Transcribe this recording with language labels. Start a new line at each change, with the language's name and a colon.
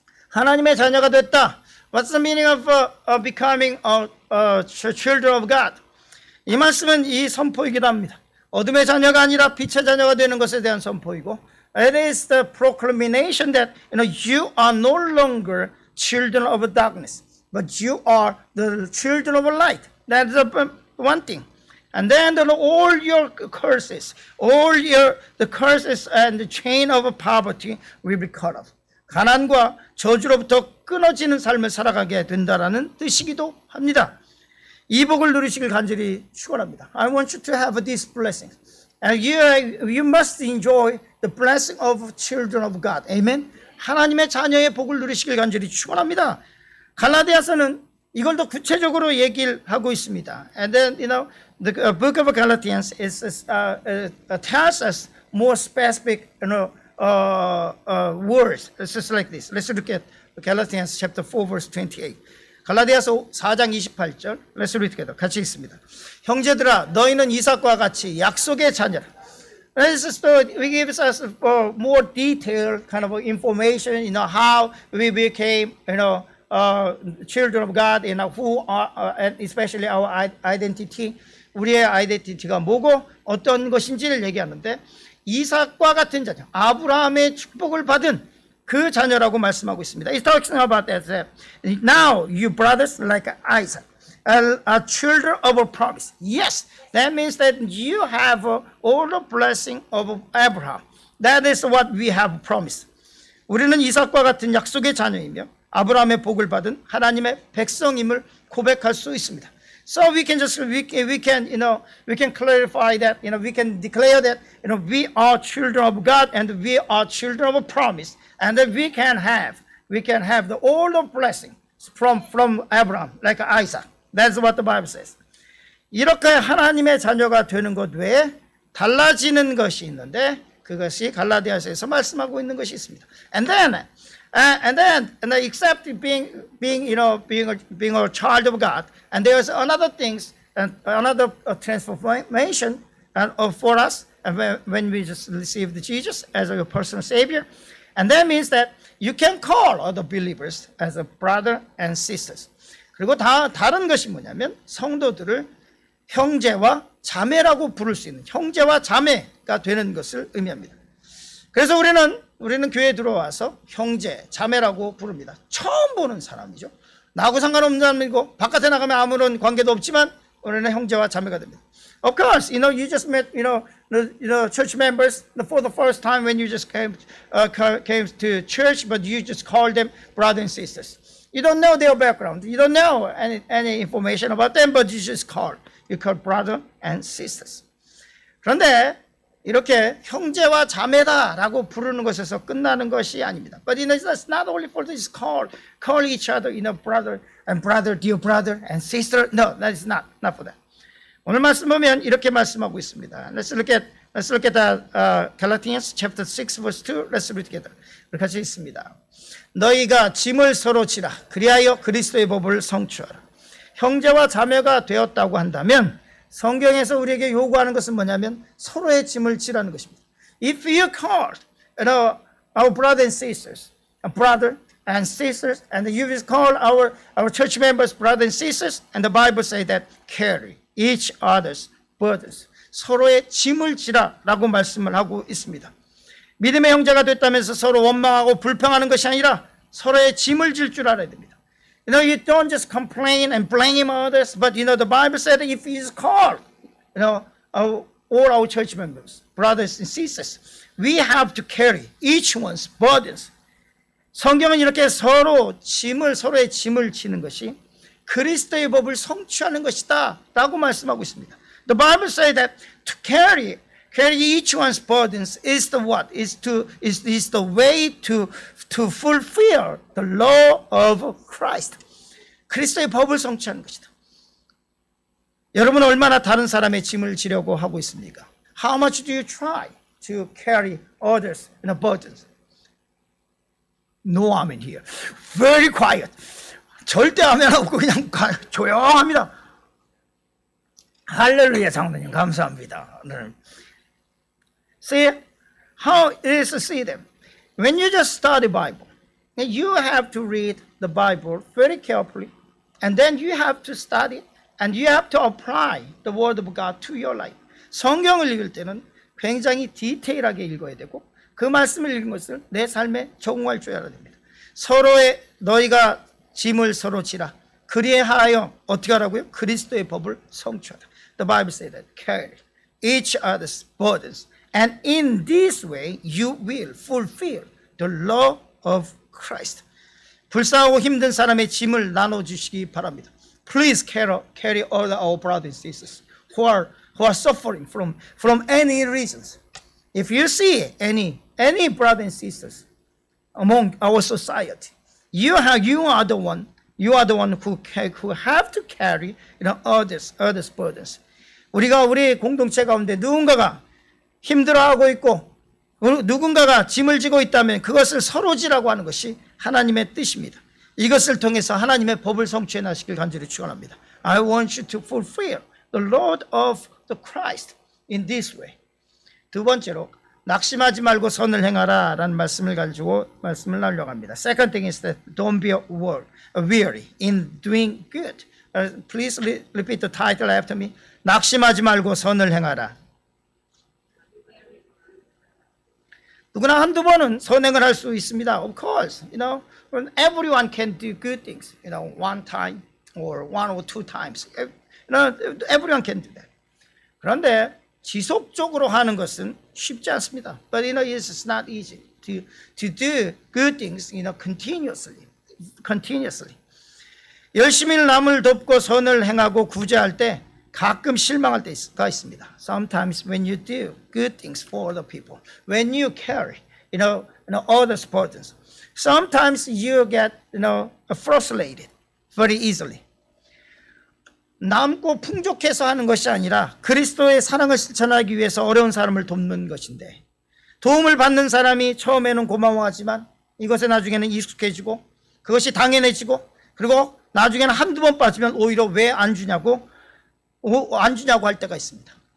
Korean: 하나님의 자녀가 됐다.
English: What's the meaning of becoming a children of God?
Korean: 이 말씀은 이 선포이기도 합니다. 어둠의 자녀가 아니라 빛의 자녀가 되는 것에 대한 선포이고
English: It is the proclamation that you know you are no longer children of darkness, but you are the children of light. That is one thing. And then all your curses, all your the curses and the chain of poverty will be cut off.
Korean: 가난과 저주로부터 끊어지는 삶을 살아가게 된다라는 뜻이기도 합니다. 이 복을 누리시길 간절히 축원합니다.
English: I want you to have this blessing. And you must enjoy the blessing of children of God. Amen.
Korean: 하나님의 자녀의 복을 누리시길 간절히 축원합니다. 갈라디아서는 이걸 더 구체적으로 얘기를 하고 있습니다.
English: And then you know the book of Galatians is tells us more specific you know words. It's just like this. Let's look at Galatians chapter 4 verse 28.
Korean: 갈라디아서 4장 28절.
English: Let's read together.
Korean: 같이 읽습니다. 형제들아 너희는 이삭과 같이 약속의 자녀라.
English: This is we gives us more detailed kind of information, you know, how we became, you know, children of God, you know, who are, and especially our identity,
Korean: 우리의 아이덴티티가 뭐고 어떤 것인지를 얘기하는데 이삭과 같은 자녀, 아브라함의 축복을 받은 그 자녀라고 말씀하고 있습니다.
English: It's talking about that. Now you brothers like Isaac. A children of a promise. Yes, that means that you have all the blessing of Abraham. That is what we have promised.
Korean: 우리는 이삭과 같은 약속의 자녀이며 아브라함의 복을 받은 하나님의 백성임을 고백할 수 있습니다.
English: So we can just we can clarify that you know we can declare that you know we are children of God and we are children of a promise and that we can have the all the blessing from Abraham like Isaac. That's what the Bible says.
Korean: 이렇게 하나님의 자녀가 되는 것 외에 달라지는 것이 있는데 그것이 갈라디아서에서 말씀하고 있는 것이 있습니다.
English: And then except being you know being a child of God, and there is another things and another transformation and for us and when we just received Jesus as a personal savior, and that means that you can call other believers as a brother and sisters.
Korean: 그리고 다른 것이 뭐냐면 성도들을 형제와 자매라고 부를 수 있는 형제와 자매가 되는 것을 의미합니다. 그래서 우리는 교회에 들어와서 형제, 자매라고 부릅니다. 처음 보는 사람이죠. 나하고 상관없는 사람이고 바깥에 나가면 아무런 관계도 없지만 우리는 형제와 자매가 됩니다.
English: Of course, you know, you just met, you know, church members for the first time when you just came to church, but you just called them brothers and sisters. You don't know their background. You don't know any information about them, but you just call. You call brother and sisters.
Korean: 그런데 이렇게 형제와 자매다라고 부르는 것에서 끝나는 것이 아닙니다.
English: But you know, it's not only for this call each other, you know, dear brother and sister. No, that is not for that.
Korean: 오늘 말씀 보면 이렇게 말씀하고 있습니다.
English: Let's look at Let's look at Galatians chapter 6 verse 2. Let's read together.
Korean: 우리 같이 읽습니다. 너희가 짐을 서로 지라 그리하여 그리스도의 법을 성취하라. 형제와 자매가 되었다고 한다면 성경에서 우리에게 요구하는 것은 뭐냐면 서로의 짐을 지라는 것입니다.
English: If you called our brother and sisters, a brother and sisters, and you will call our church members brother and sisters, and the Bible say that carry each other's burdens.
Korean: 서로의 짐을 지라라고 말씀을 하고 있습니다. 믿음의 형제가 됐다면서 서로 원망하고 불평하는 것이 아니라 서로의 짐을 질 줄 알아야 됩니다.
English: You know, you don't just complain and blame others, but you know, the Bible said if he's called, you know, all our church members, brothers and sisters, we have to carry each one's burdens.
Korean: 성경은 이렇게 서로의 짐을 지는 것이 그리스도의 법을 성취하는 것이다 라고 말씀하고 있습니다.
English: The Bible says that to carry each one's burdens is the what? Is the way to fulfill the law of Christ.
Korean: 그리스도의 법을 성취하는 것이다. 여러분 얼마나 다른 사람의 짐을 지려고 하고 있습니까?
English: How much do you try to carry others' in a burdens? No amen here. Very quiet.
Korean: 절대 아멘 없고 그냥 조용합니다. 할렐루야 장로님 감사합니다.
English: See how it is to see them. When you just study Bible, you have to read the Bible very carefully, and then you have to study and you have to apply the word of God to your life.
Korean: 성경을 읽을 때는 굉장히 디테일하게 읽어야 되고 그 말씀을 읽은 것을 내 삶에 적용할 줄 알아야 됩니다. 서로의 너희가 짐을 서로 지라 그리하여 어떻게 하라고요? 그리스도의 법을 성취하라.
English: The Bible says that carry each other's burdens, and in this way you will fulfill the law of Christ.
Korean: 불쌍하고 힘든 사람의 짐을 나눠주시기 바랍니다.
English: Please carry all our brothers and sisters who are suffering from any reasons. If you see any brothers and sisters among our society, you are the one who have to carry, you know, others' burdens.
Korean: 우리가 우리 공동체 가운데 누군가가 힘들어하고 있고 누군가가 짐을 지고 있다면 그것을 서로 지라고 하는 것이 하나님의 뜻입니다. 이것을 통해서 하나님의 법을 성취해 나시길 간절히 축원합니다.
English: I want you to fulfill the Lord of the Christ in this way.
Korean: 두 번째로 낙심하지 말고 선을 행하라 라는 말씀을 가지고 말씀을 나누려고 합니다.
English: Second thing is that don't be weary in doing good. Please repeat the title after me.
Korean: 낙심하지 말고 선을 행하라. 누구나 한두 번은 선행을 할 수 있습니다.
English: Of course, you know, everyone can do good things, you know, one time or one or two times. You know, everyone can do that.
Korean: 그런데 지속적으로 하는 것은 쉽지 않습니다.
English: But you know, it's not easy to do good things, you know, continuously.
Korean: 열심히 남을 돕고 선을 행하고 구제할 때 가끔 실망할 때가 있습니다.
English: Sometimes when you do good things for other people, when you carry, you know, others' burdens, sometimes you get, you know, frustrated very easily.
Korean: 남고 풍족해서 하는 것이 아니라 그리스도의 사랑을 실천하기 위해서 어려운 사람을 돕는 것인데 도움을 받는 사람이 처음에는 고마워하지만 이것에 나중에는 익숙해지고 그것이 당연해지고 그리고 나중에는 한두 번 빠지면 오히려 왜 안 주냐고 안 주냐고 할 때가 있습니다.